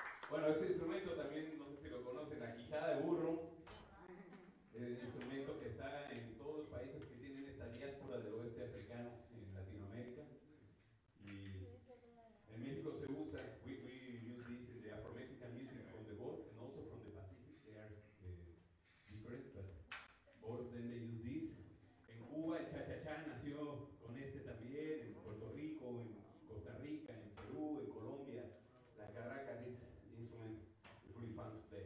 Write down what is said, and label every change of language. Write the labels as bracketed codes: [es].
[es] Bueno, este instrumento también, no sé si lo conocen, la quijada de burro. Es un instrumento que está en todos los países que tienen esta diáspora del oeste africano en Latinoamérica. Y en México se usa, [en] we use this in the Afro-Mexican music from the Gulf and also from the Pacific. They are different, but or then they use this. [es] En Cuba el cha-cha-cha nació con este también, en Puerto Rico, en Costa Rica, en Perú, en Colombia. [en] La carraca, this instrument is really fun today.